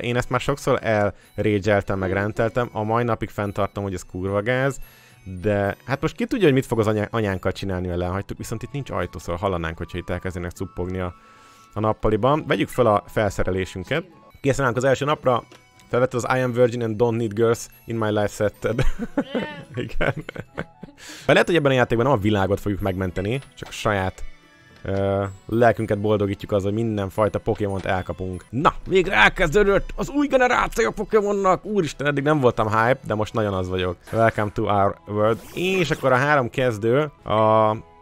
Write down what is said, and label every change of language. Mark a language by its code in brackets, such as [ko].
[hu] Én ezt már sokszor elrégyeltem, meg renteltem. A mai napig fenntartom, hogy ez kurva gáz. De hát most ki tudja, hogy mit fog az anyánkkal csinálni, ha lehagytuk, viszont itt nincs ajtó, szóval hallanánk, hogyha itt elkezdenek cuppogni a nappaliban. Vegyük fel a felszerelésünket. Készen állunk az első napra. Felvetted az [en] I am virgin and don't need girls in my life [hu] setted. Igen. De lehet, hogy ebben a játékban nem a világot fogjuk megmenteni, csak a saját lelkünket boldogítjuk azzal, hogy mindenfajta Pokémont elkapunk. Na, végre elkezdődött az új generáció Pokémonnak! Úristen, eddig nem voltam hype, de most nagyon az vagyok. [en] Welcome to our world. [hu] És akkor a három kezdő, a...